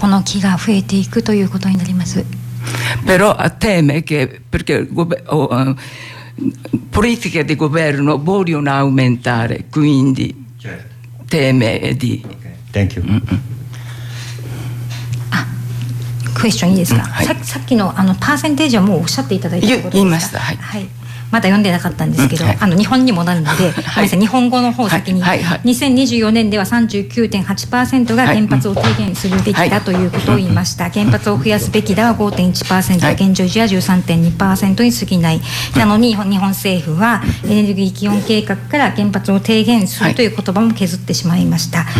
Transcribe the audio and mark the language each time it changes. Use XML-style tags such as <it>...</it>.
<ja>だから多くの原子炉は止まったままですよね。その通りです。ただエネルギー基本計画で政府は再稼働をどんどん進めるというふうにしていますので、今後この木が増えていくということになります。</ja> <it>Però a teme che perché politiche di governo vogliono aumentare, quindi teme di</it> <en>Thank you.</en> <ja>あ、クエスチョンいいですか、はい、さっきのパーセンテージはもうおっしゃっていただいたことですか。言いました、はいはい、まだ読んでなかったんですけど、はい、日本にもなるので、はい、日本語の方先に、はいはいはい、2024年では 39.8% が原発を提言するべきだということを言いました、はい、原発を増やすべきだは 5.1%、はい、現状維持は 13.2% に過ぎない、はい、なのに日本政府はエネルギー基本計画から原発を提言するという言葉も削ってしまいました。</ja>